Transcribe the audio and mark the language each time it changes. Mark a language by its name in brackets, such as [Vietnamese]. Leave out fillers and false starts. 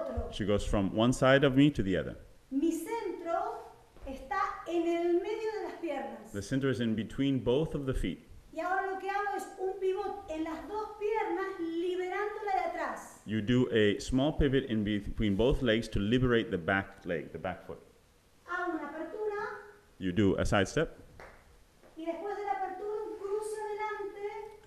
[English] She goes from one side of me to the other. [Spanish] Mi centro está en el medio de las piernas. [English] The center is in between both of the feet. [Spanish] Y ahora lo que hago es un pivot en las dos piernas, liberándola de atrás. [English] You do a small pivot in between both legs to liberate the back leg, the back foot. [Spanish] Hago una apertura. [English] You do a side step. [Spanish] Y después de la apertura, un cruce adelante.